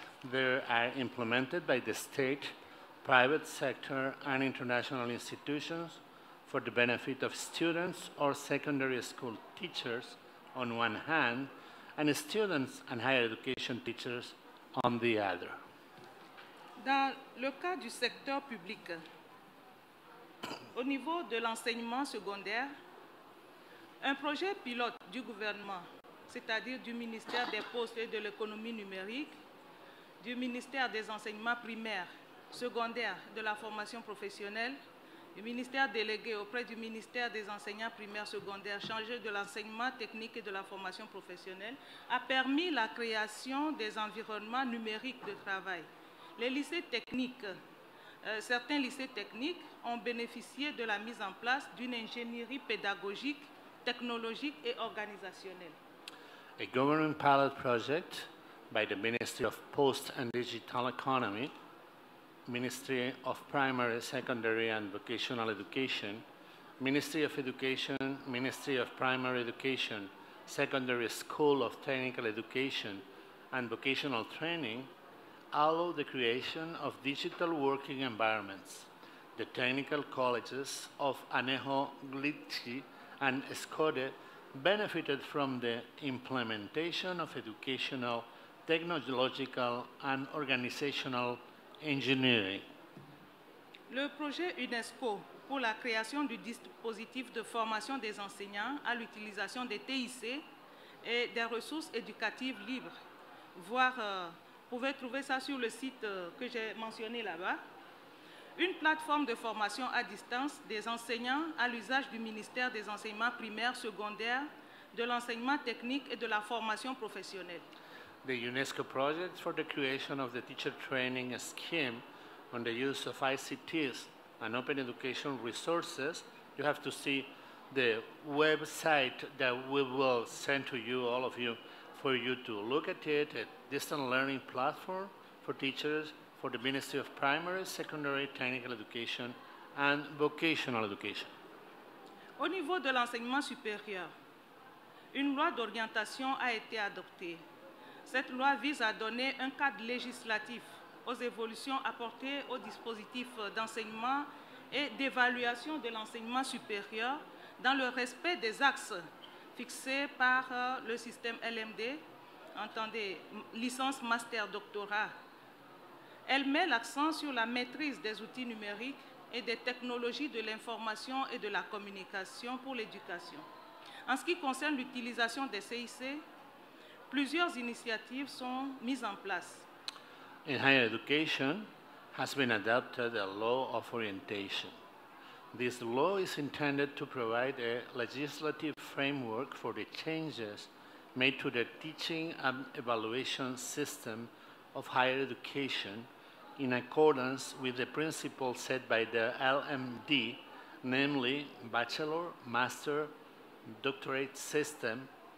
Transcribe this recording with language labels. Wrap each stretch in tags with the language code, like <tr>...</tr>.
<en>They are implemented by the state, private sector, and international institutions for the benefit of students or secondary school teachers on one hand, and students and higher education teachers on the other.</en> <fr>Dans le cas du secteur public, au niveau de l'enseignement secondaire, un projet pilote du gouvernement, c'est-à-dire du ministère des Postes et de l'économie numérique, du ministère des enseignements primaires, secondaires, de la formation professionnelle, du ministère délégué auprès du ministère des enseignants primaires, secondaires, chargé de l'enseignement technique et de la formation professionnelle, a permis la création des environnements numériques de travail. Les lycées techniques, certains lycées techniques ont bénéficié de la mise en place d'une ingénierie pédagogique, technologique et organisationnelle.</fr> <en>A government pilot project by the Ministry of Post and Digital Economy, Ministry of Primary, Secondary and Vocational Education, Ministry of Education, Ministry of Primary Education, Secondary School of Technical Education and Vocational Training allow the creation of digital working environments. The technical colleges of Anejo, Glitchi, and Escode benefited from the implementation of educational, technological, and organizational engineering.</en> <fr>Le projet UNESCO pour la création du dispositif de formation des enseignants à l'utilisation des TIC et des ressources éducatives libres, voire vous pouvez trouver ça sur le site que j'ai mentionné là-bas. Une plateforme de formation à distance des enseignants à l'usage du ministère des enseignements primaires, secondaires, de l'enseignement technique et de la formation professionnelle.</fr> <en>The UNESCO project for the creation of the teacher training scheme on the use of ICTs and open education resources. You have to see the website that we will send to you, all of you, for you to look at it. Distant learning platform for teachers for the Ministry of Primary, Secondary, Technical Education and Vocational Education.</en> <fr>Au niveau de l'enseignement supérieur, une loi d'orientation a été adoptée. Cette loi vise à donner un cadre législatif aux évolutions apportées aux dispositifs d'enseignement et d'évaluation de l'enseignement supérieur dans le respect des axes fixés par le système LMD. Entendez, licence, master, doctorat. Elle met l'accent sur la maîtrise des outils numériques et des technologies de l'information et de la communication pour l'éducation. En ce qui concerne l'utilisation des CIC, plusieurs initiatives sont mises en place.</fr> <en>In higher education has been adopted a law of orientation. This law is intended to provide a legislative framework for the changes made to the teaching and evaluation system of higher education in accordance with the principles set by the LMD, namely bachelor, master, doctorate system.</en>